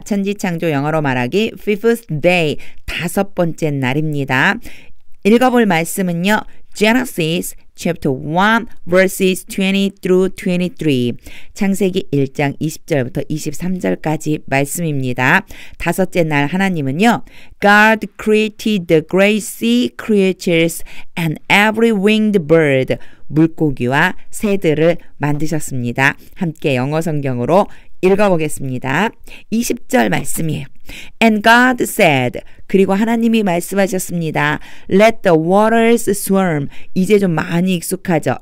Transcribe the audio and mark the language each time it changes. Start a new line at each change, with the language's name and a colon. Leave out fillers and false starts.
Korean: 천지창조 영어로 말하기
English: Fifth Day,
Korean: 다섯 번째 날입니다. 읽어볼 말씀은요.
English: Genesis chapter 1 verses 20 through 23.
Korean: 창세기 1장 20절부터 23절까지 말씀입니다. 다섯째 날 하나님은요.
English: God created the great sea creatures and every winged bird.
Korean: 물고기와 새들을 만드셨습니다. 함께 영어 성경으로 읽어보겠습니다. 20절 말씀이에요.
English: And God said,
Korean: 그리고 하나님이 말씀하셨습니다.
English: Let the waters swarm.
Korean: 이제 좀 많이 익숙하죠.